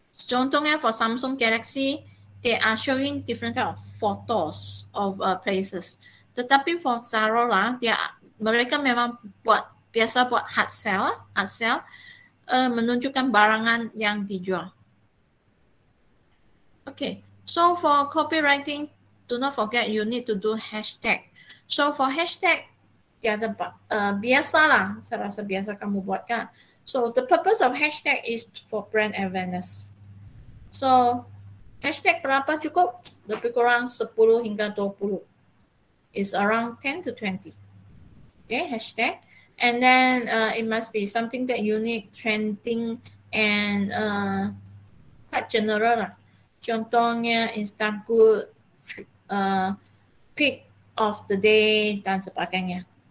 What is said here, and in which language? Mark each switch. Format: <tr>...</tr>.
<en>Contohnya for Samsung Galaxy, they are showing different type of photos of places.</en> <ms>Tetapi for Zara lah, mereka memang buat biasa buat hard sell. Hard sell menunjukkan barangan yang dijual.</ms> <en>Okay, so for copywriting, do not forget you need to do hashtag.</en> <ms>So for hashtag, dia ada biasa lah. Saya rasa biasa kamu buat kan.</ms> <en>So the purpose of hashtag is for brand awareness.</en> <ms>So hashtag berapa cukup? Lebih kurang 10 hingga 20.</ms> <en>It's around 10 to 20. Okay, hashtag. And then it must be something that unique, trending, and quite general lah.</en> <ms>Contohnya Instagood, pick of the day, dan sebagainya.</ms>